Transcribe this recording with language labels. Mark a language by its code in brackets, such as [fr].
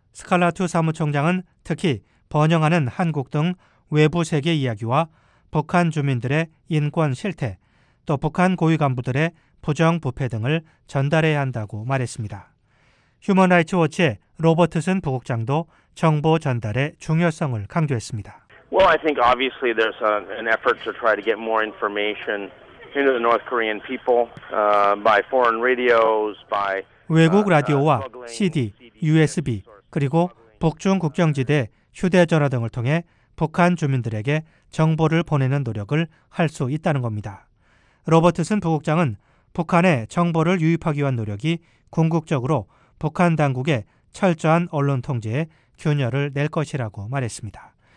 [ko] 스칼라투 사무총장은 특히 번영하는 한국 등 외부 세계 이야기와 북한 주민들의 인권 실태, 또 북한 고위 간부들의 부정부패 등을 전달해야 한다고 말했습니다. 휴먼라이츠 워치의 로버트슨 부국장도 정보 전달의 중요성을 강조했습니다. [en] Well, I think obviously there's an effort to try to get more information into the North Korean people by foreign radios, by [ko] 외국 라디오와 CD, USB, 그리고 북중 국경지대 휴대전화 등을 통해 북한 주민들에게 정보를 보내는 노력을 할 수 있다는 겁니다. 로버트슨 부국장은 북한에 정보를 유입하기 위한 노력이 궁극적으로 북한 당국의 철저한 언론 통제에 균열을 낼 것이라고 말했습니다.